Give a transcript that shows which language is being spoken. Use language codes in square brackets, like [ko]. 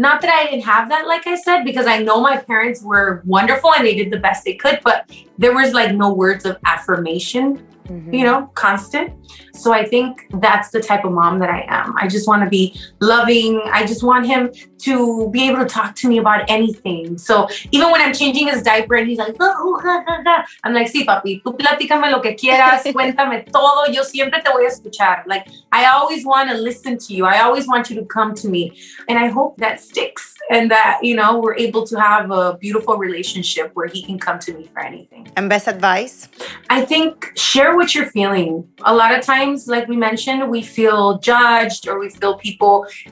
[en] Not that I didn't have that, like I said, because I know my parents were wonderful and they did the best they could, but there was like no words of affirmation, mm-hmm. you know, constant. So I think that's the type of mom that I am. I just want to be loving. I just want him to be able to talk to me about anything. So even when I'm changing his diaper and he's like, oh, ha, ha, ha. I'm like, [es] sí, papi, tú platícame lo que quieras, cuéntame todo, yo siempre te voy a escuchar. [en] Like, I always want to listen to you. I always want you to come to me. And I hope that sticks and that, you know, we're able to have a beautiful relationship where he can come to me for anything. And best advice? I think share what you're feeling. A lot of times, like we mentioned, we feel judged or we feel people.